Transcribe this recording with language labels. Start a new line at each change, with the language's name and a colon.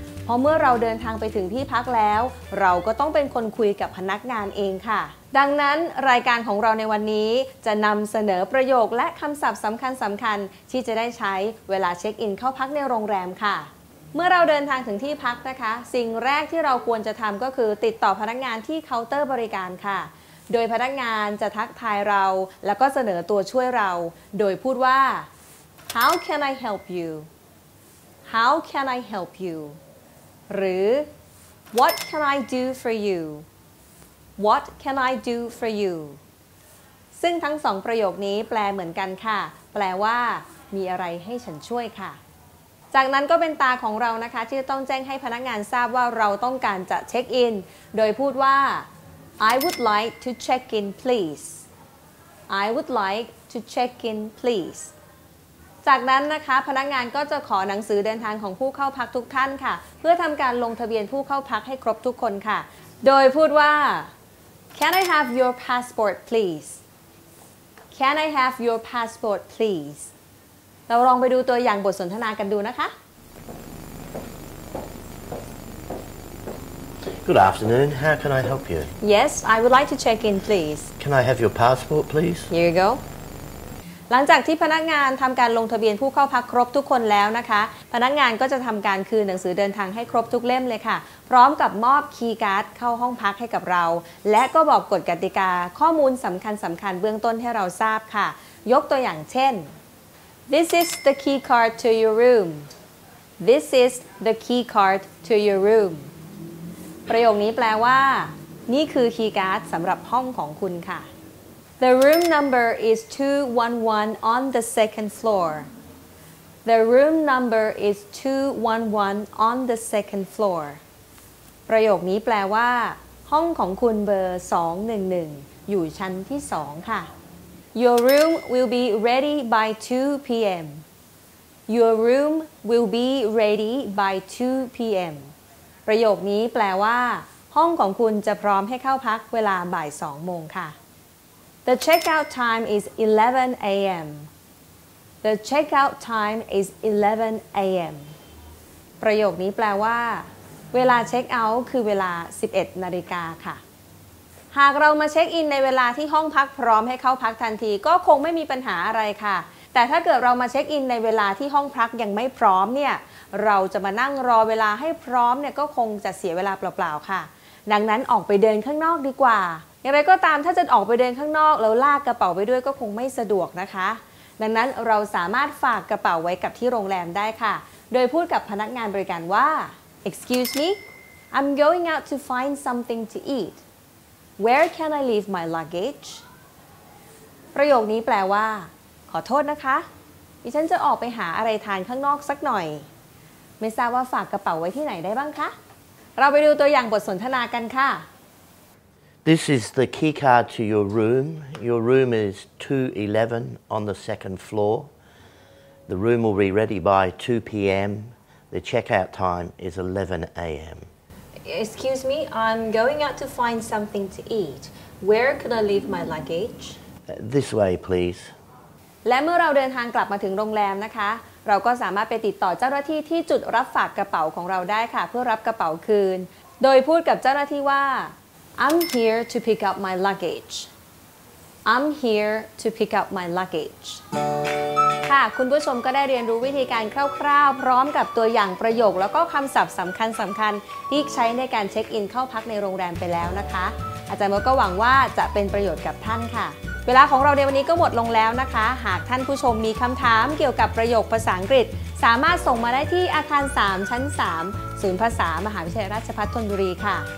Thai: เพราะเมื่อเราเดินทางไปถึงที่พักแล้วเราก็ต้องเป็นคนคุยกับพนักงานเองค่ะดังนั้นรายการของเราในวันนี้จะนำเสนอประโยคและคำศัพท์สำคัญที่จะได้ใช้เวลาเช็คอินเข้าพักในโรงแรมค่ะเมื่อเราเดินทางถึงที่พักนะคะสิ่งแรกที่เราควรจะทำก็คือติดต่อพนักงานที่เคาน์เตอร์บริการค่ะโดยพนักงานจะทักทายเราแล้วก็เสนอตัวช่วยเราโดยพูดว่า
English: How can I help you? How can I help you?
Thai: หรือ
English: What can I do for you? What can I do for you?
Thai: ซึ่งทั้งสองประโยคนี้แปลเหมือนกันค่ะแปลว่ามีอะไรให้ฉันช่วยค่ะจากนั้นก็เป็นตาของเรานะคะที่จะต้องแจ้งให้พนักงานทราบว่าเราต้องการจะเช็คอินโดยพูดว่า
English: I would like to check in please I would like to check in please
Thai: จากนั้นนะคะพนักงานก็จะขอหนังสือเดินทางของผู้เข้าพักทุกท่านค่ะเพื่อทำการลงทะเบียนผู้เข้าพักให้ครบทุกคนค่ะโดยพูดว่า
English: Can I have your passport please
Thai: Can I have your passport please เราลองไปดูตัวอย่างบทสนทนากันดูนะคะ
English: Good afternoon. How can I help you? Yes, I would like to check in please. Can I have your passport please? Here you go.
Thai: หลังจากที่พนักงานทำการลงทะเบียนผู้เข้าพักครบทุกคนแล้วนะคะพนักงานก็จะทำการคืนหนังสือเดินทางให้ครบทุกเล่มเลยค่ะพร้อมกับมอบคีย์การ์ดเข้าห้องพักให้กับเราและก็บอกกฎกติกาข้อมูลสำคัญเบื้องต้นให้เราทราบค่ะยกตัวอย่างเช่น
English: This is the key card to your room. This is the key card to your room.
Thai: ประโยคนี้แปลว่านี่คือคีย์การ์ดสำหรับห้องของคุณค่ะ
English: The room number is 211 on the second floor. The room number is 211 on the second floor.
Thai: ประโยคนี้แปลว่าห้องของคุณเบอร์211อยู่ชั้นที่2ค่ะ
English: Your room will be ready by 2 p.m. Your room will be ready by 2 p.m.
Thai: ประโยคนี้แปลว่าห้องของคุณจะพร้อมให้เข้าพักเวลาบ่าย2โมงค่ะ
English: The checkout time is 11 a.m. The checkout time is 11 a.m.
Thai: ประโยคนี้แปลว่าเวลาเช็คเอาท์คือเวลา11นาฬิกาค่ะหากเรามาเช็คอินในเวลาที่ห้องพักพร้อมให้เข้าพักทันทีก็คงไม่มีปัญหาอะไรค่ะแต่ถ้าเกิดเรามาเช็คอินในเวลาที่ห้องพักยังไม่พร้อมเนี่ย เราจะมานั่งรอเวลาให้พร้อมเนี่ยก็คงจะเสียเวลาเปล่าๆค่ะดังนั้นออกไปเดินข้างนอกดีกว่าอย่างไรก็ตามถ้าจะออกไปเดินข้างนอกแล้วลากกระเป๋าไปด้วยก็คงไม่สะดวกนะคะดังนั้นเราสามารถฝากกระเป๋าไว้กับที่โรงแรมได้ค่ะโดยพูดกับพนักงานบริการว่า
English: Excuse me, I'm going out to find something to eat. Where can I leave my luggage?
Thai: ประโยคนี้แปลว่าขอโทษนะคะดิฉันจะออกไปหาอะไรทานข้างนอกสักหน่อยไม่ทราบว่าฝากกระเป๋าไว้ที่ไหนได้บ้างคะเราไปดูตัวอย่างบทสนทนากันค่ะ
English: This is the key card to your room. Your room is 211 on the second floor. The room will be ready by 2 p.m. The checkout time is 11 a.m. Excuse me, I'm going out to find something to eat. Where could I leave my luggage? This way, please.
Thai: และเมื่อเราเดินทางกลับมาถึงโรงแรมนะคะเราก็สามารถไปติดต่อเจ้าหน้าที่ที่จุดรับฝากกระเป๋าของเราได้ค่ะเพื่อรับกระเป๋าคืนโดยพูดกับเจ้าหน้าที่ว่า
English: I'm here to pick up my luggage. I'm here to pick up my luggage.
Thai: ค่ะคุณผู้ชมก็ได้เรียนรู้วิธีการคร่าวๆพร้อมกับตัวอย่างประโยคแล้วก็คำศัพท์สำคัญที่ใช้ในการเช็คอินเข้าพักในโรงแรมไปแล้วนะคะอาจารย์มดก็หวังว่าจะเป็นประโยชน์กับท่านค่ะเวลาของเราในวันนี้ก็หมดลงแล้วนะคะหากท่านผู้ชมมีคำถามเกี่ยวกับประโยคภาษาอังกฤษสามารถส่งมาได้ที่อาคาร3ชั้น3ศูนย์ภาษามหาวิทยาลัยราชภัฏธนบุรีค่ะ